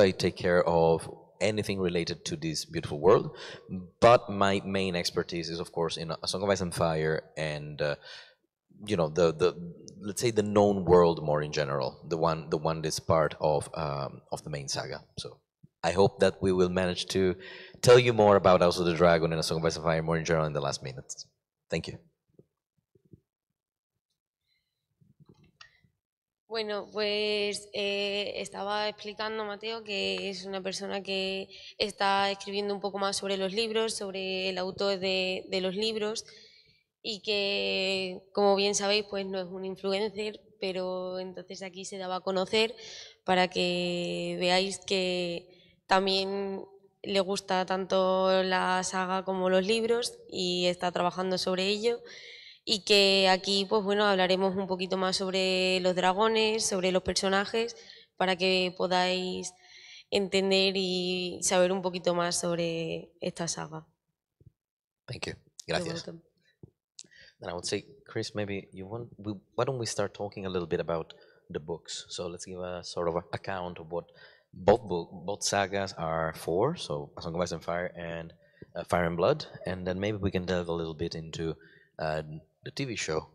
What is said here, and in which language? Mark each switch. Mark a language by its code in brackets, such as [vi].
[en] I take care of anything related to this beautiful world, but my main expertise is, of course, in A Song of Ice and Fire, and the let's say the known world more in general, the one that's part of the main saga. So I hope that we will manage to tell you more about House of the Dragon and A Song of Ice and Fire more in general in the last minutes. Thank you. [es] Bueno, pues estaba explicando Matteo que es una persona que está escribiendo un poco más sobre los libros, sobre el autor de los libros, y que, como bien sabéis, pues no es un influencer, pero entonces aquí se daba a conocer para que veáis que también le gusta tanto la saga como los libros y está trabajando sobre ello. Y que aquí, pues bueno, hablaremos un poquito más sobre los dragones, sobre los personajes, para que podáis entender y saber un poquito más sobre esta saga. [en] Thank you. [es] Gracias. [en] Then I would say, Chris, maybe you want, why don't we start talking a little bit about the books. So let's give a sort of account of what both sagas are for. So A Song of Ice and Fire and Fire and Blood, and then maybe we can delve a little bit into the TV show.